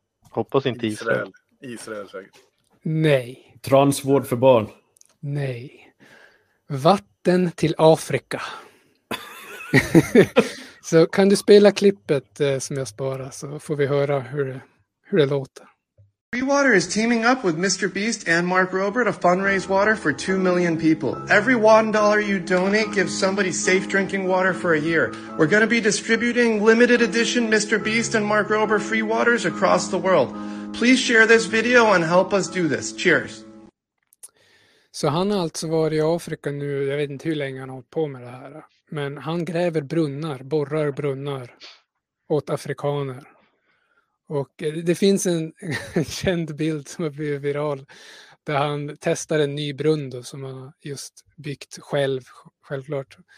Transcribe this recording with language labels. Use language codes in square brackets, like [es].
[sv] Hoppas inte Israel. Israel säkert. Nej. Transvård för barn. Nej. Vatten till Afrika. Så kan du spela klippet som jag sparar, så får vi höra hur det låter. [en] Free Water is teaming up with Mr. Beast and Mark Rober to fundraise water for 2 million people. Every $1 you donate gives somebody safe drinking water for a year. We're going to be distributing limited edition Mr. Beast and Mark Rober free waters across the world. Please share this video and help us do this. Cheers. [sv] Så han har alltså varit i Afrika nu, jag vet inte hur länge han har hållit på med det här. Men han gräver brunnar, borrar brunnar åt afrikaner. Och det finns en känd bild som har blivit viral där han testar en ny brunn då, som han just byggt själv, självklart.